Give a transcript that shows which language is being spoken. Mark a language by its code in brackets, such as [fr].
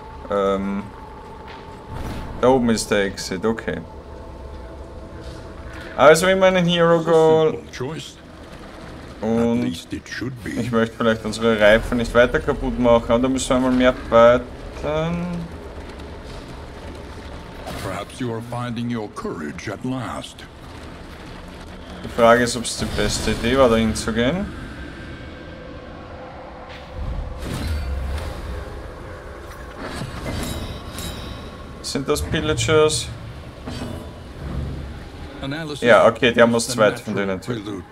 [de] Da oben ist der Exit, okay. Also wir meinen Hero Goal. Und ich möchte vielleicht unsere Reifen nicht weiter kaputt machen, aber da müssen wir einmal mehr fighten. [en] Perhaps you are finding your courage at last. [de] Die Frage ist, ob es die beste Idee war, dahin zu gehen. Sind das Pillagers? Ja, okay, die haben uns zwei von denen natürlich.